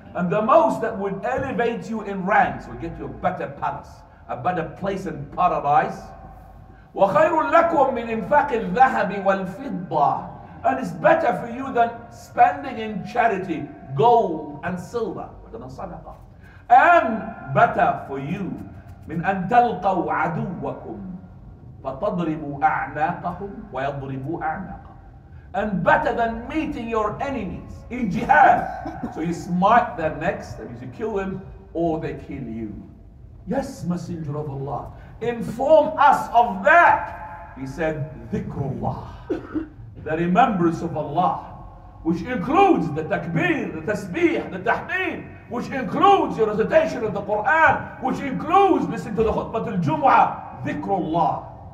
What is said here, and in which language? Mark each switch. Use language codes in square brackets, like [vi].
[en] And the most that would elevate you in ranks, will get you a better palace, a better place in paradise. [ar] وَخَيْرٌ لَكُمْ مِنْ إِنْفَاقِ الذَّهَبِ وَالْفِضَّةِ. [en] And it's better for you than spending in charity gold and silver. And better for you [ar] من أن تلقوا عدوكم فتضربوا أعناقهم ويضربوا أعناقهم. [en] And better than meeting your enemies in jihad. So you smite their necks, that means you kill them, or they kill you. Yes, Messenger of Allah, inform us of that. He said, dhikrullah, the remembrance of Allah, which includes the takbir, the tasbih, the tahmeed, which includes your recitation of the Quran, which includes listening to the khutbah al jumu'ah, dhikrullah.